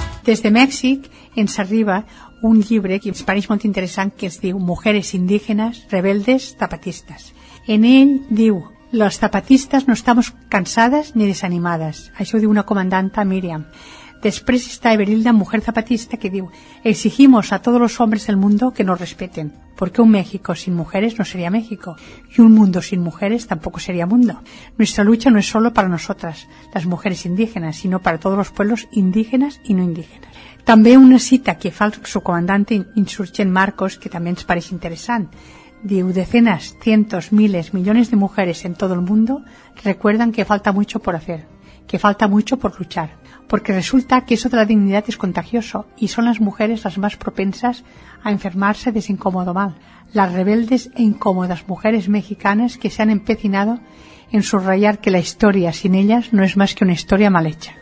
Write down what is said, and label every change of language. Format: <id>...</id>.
<ca>Des de Mèxic ens arriba un llibre que ens pareix molt interessant, que es diu Mujeres indígenas, rebeldes, zapatistas. En ell diu:</ca> <es>los zapatistas no estamos cansadas ni desanimadas.</es> <ca>Això ho diu una comandanta, Miriam. Després està Everilda,</ca> <es>mujer zapatista,</es> <ca>que diu:</ca> <es>exigimos a todos los hombres del mundo que nos respeten, porque un México sin mujeres no sería México, y un mundo sin mujeres tampoco sería mundo. Nuestra lucha no es solo para nosotras, las mujeres indígenas, sino para todos los pueblos indígenas y no indígenas.</es> <ca>També una cita que fa su comandante insurgent Marcos, que també ens pareix interessant.</ca> <es>Diu: decenas, cientos, miles, millones de mujeres en todo el mundo recuerdan que falta mucho por hacer, que falta mucho por luchar, porque resulta que eso de la dignidad es contagioso y son las mujeres las más propensas a enfermarse de ese incómodo mal, las rebeldes e incómodas mujeres mexicanas que se han empecinado en subrayar que la historia sin ellas no es más que una historia mal hecha.</es>